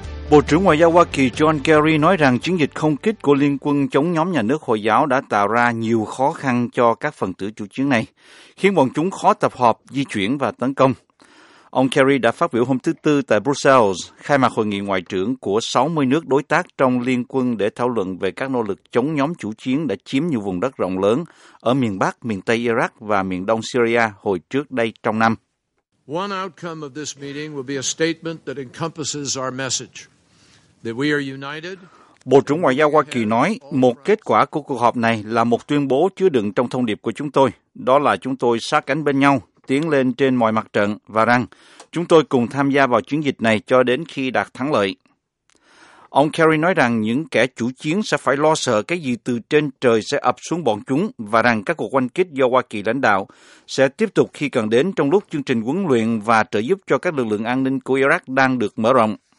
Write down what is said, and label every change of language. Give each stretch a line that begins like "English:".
Vietnamese: Bộ trưởng Ngoại giao Hoa Kỳ John Kerry nói rằng chiến dịch không kích của Liên quân chống nhóm nhà nước Hồi giáo đã tạo ra nhiều khó khăn cho các phần tử chủ chiến này, khiến bọn chúng khó tập hợp, di chuyển và tấn công. Ông Kerry đã phát biểu hôm thứ Tư tại Brussels, khai mạc hội nghị ngoại trưởng của 60 nước đối tác trong liên quân để thảo luận về các nỗ lực chống nhóm chủ chiến đã chiếm nhiều vùng đất rộng lớn ở miền Bắc, miền Tây Iraq và miền Đông Syria hồi trước đây trong năm.
English: One outcome of this meeting will be a statement that encompasses our message that we are united.
Vietnamese: Bộ trưởng Ngoại giao Hoa Kỳ nói, một kết quả của cuộc họp này là một tuyên bố chứa đựng trong thông điệp của chúng tôi, đó là chúng tôi sát cánh bên nhau, tiến lên trên mọi mặt trận và rằng chúng tôi cùng tham gia vào chiến dịch này cho đến khi đạt thắng lợi. Ông Kerry nói rằng những kẻ chủ chiến sẽ phải lo sợ cái gì từ trên trời sẽ ập xuống bọn chúng và rằng các cuộc oanh kích do Hoa Kỳ lãnh đạo sẽ tiếp tục khi cần đến trong lúc chương trình huấn luyện và trợ giúp cho các lực lượng an ninh của Iraq đang được mở rộng.